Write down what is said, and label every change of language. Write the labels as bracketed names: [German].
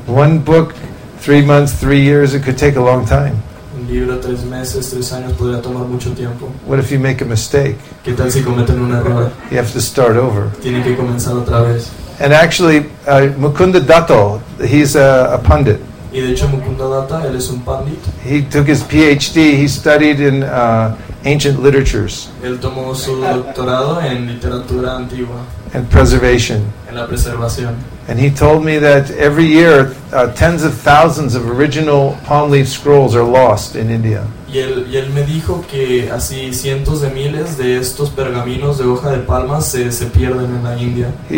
[English] One book, 3 months, 3 years, it could take a long time. [Spanish] Un libro, 3 meses, 3 años, podría tomar mucho tiempo. [English] What if you make a mistake? [Spanish] ¿Qué tal si cometen un error? [English] You have to start over. [Spanish] Tienen que comenzar otra vez. [English] And actually, Mukunda Datta, he's a pundit. [Spanish] Y de hecho, Mukunda Datta, él es un pandit. [English] He took his PhD, he studied in ancient literatures. [Spanish] Él tomó su doctorado en literatura antigua. [English] And preservation. [Spanish] En la preservación. [English] And he told me that every year tens of thousands of original palm leaf scrolls are lost in India. [Spanish] Y él me dijo que así cientos de miles de estos pergaminos de hoja de palma se pierden en la India.